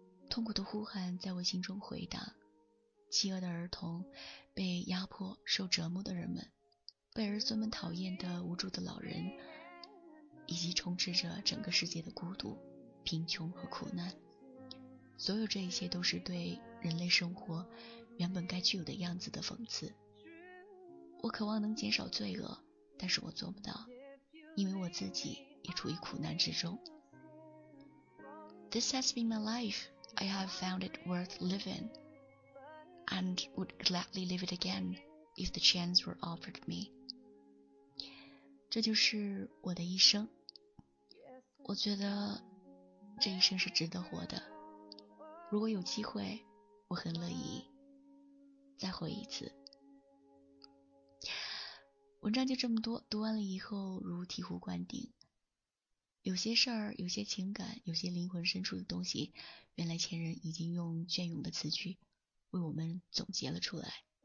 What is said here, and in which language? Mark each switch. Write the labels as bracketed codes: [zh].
[zh] 痛苦的呼喊在我心中回荡，饥饿的儿童，被压迫受折磨的人们，被儿孙们讨厌的无助的老人，以及充斥着整个世界的孤独、贫穷和苦难，所有这一切都是对人类生活原本该具有的样子的讽刺。我渴望能减少罪恶，但是我做不到，因为我自己也处于苦难之中。 [en] This has been my life. I have found it worth living and would gladly live it again if the chance were offered me. [zh] 这就是我的一生，我觉得这一生是值得活的，如果有机会我很乐意再活一次。文章就这么多，读完了以后如醍醐灌顶。有些事儿，有些情感，有些灵魂深处的东西，原来前人已经用隽永的词句为我们总结了出来。